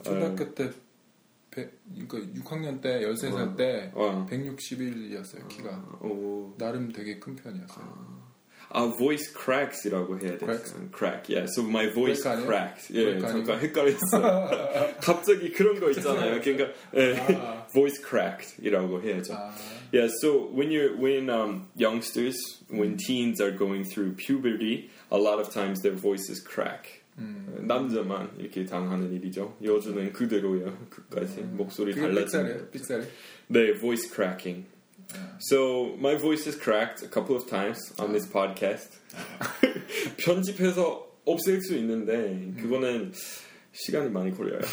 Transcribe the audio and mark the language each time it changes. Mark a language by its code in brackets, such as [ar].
[ko] 초등학교 때 그러니까 6학년 때 13살 때 161이었어요 키가. 나름 되게 큰 편이었어요. 아, [en] voice cracks [ko] 이라고 해야 돼요. [en] Crack, yeah. So my voice cracks. [ko] 예, [en] yeah, [ko] 잠깐 헷갈렸어요. 갑자기 그런 거 있잖아요. 그러니까 예, 아. [en] voice cracked [ko] 이라고 해야죠. 아. [en] Yeah, so when youngsters, when teens are going through puberty, a lot of times their voices crack. [ko] 남자만 이렇게 당하는 일이죠. 여자는 그대로요. 끝까지 목소리 달라지는. 빅살이. 네, [en] voice cracking. So, my voice is cracked a couple of times on this podcast. [ko] 편집해서 없앨 수 있는데, 그거는 시간이 많이 걸려요.